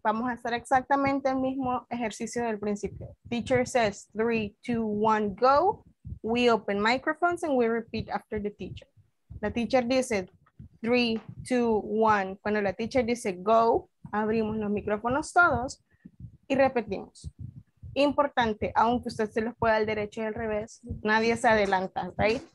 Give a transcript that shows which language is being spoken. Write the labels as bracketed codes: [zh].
[es] Vamos a hacer exactamente el mismo ejercicio del principio. [en] Teacher says 3, 2, 1, go. We open microphones and we repeat after the teacher. [es] La teacher dice 3, 2, 1. Cuando la teacher dice go, abrimos los micrófonos todos y repetimos. Importante, aunque usted se los pueda al derecho y al revés, nadie se adelanta, [en] right?